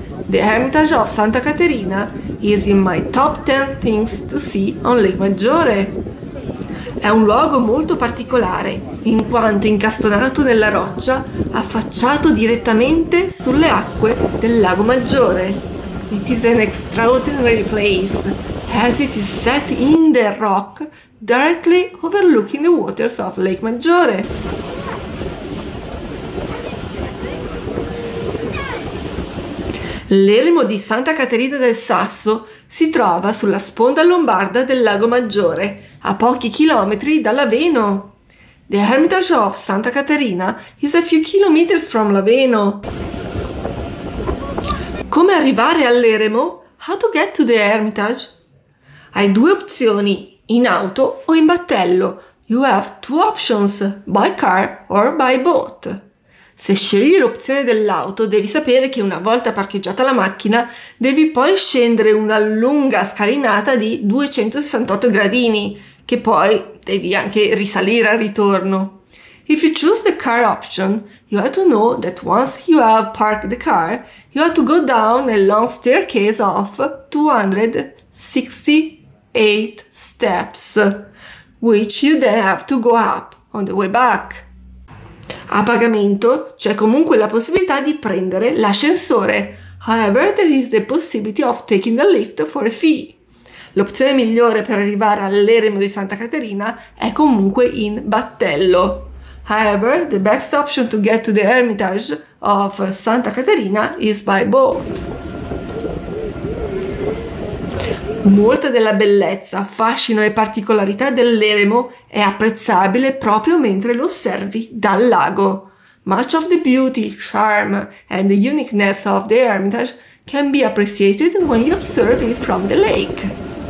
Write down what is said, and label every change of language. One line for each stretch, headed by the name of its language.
English: The Hermitage of Santa Caterina is in my top 10 things to see on Lake Maggiore.
Italian: È un luogo molto particolare, in quanto incastonato nella roccia, affacciato direttamente sulle acque del Lago Maggiore.
English: It is an extraordinary place, as it is set in the rock, directly overlooking the waters of Lake Maggiore.
Italian: L'Eremo di Santa Caterina del Sasso si trova sulla sponda lombarda del Lago Maggiore, a pochi chilometri da Laveno.
English: The Hermitage of Santa Caterina is a few kilometers from Laveno.
Italian: Come arrivare all'Eremo?
English: How to get to the Hermitage?
Italian: Hai due opzioni, in auto o in battello.
English: You have two options, by car or by boat.
Italian: Se scegli l'opzione dell'auto, devi sapere che una volta parcheggiata la macchina, devi poi scendere una lunga scalinata di 268 gradini, che poi devi anche risalire al ritorno.
English: If you choose the car option, you have to know that once you have parked the car, you have to go down a long staircase of 268 steps, which you then have to go up on the way back.
Italian: A pagamento c'è comunque la possibilità di prendere l'ascensore.
English: However, there is the possibility of taking the lift for a fee.
Italian: L'opzione migliore per arrivare all'Eremo di Santa Caterina è comunque in battello.
English: However, the best option to get to the Hermitage of Santa Caterina is by boat.
Italian: Molta della bellezza, fascino e particolarità dell'Eremo è apprezzabile proprio mentre lo osservi dal lago.
English: Much of the beauty, charm and the uniqueness of the Hermitage can be appreciated when you observe it from the lake.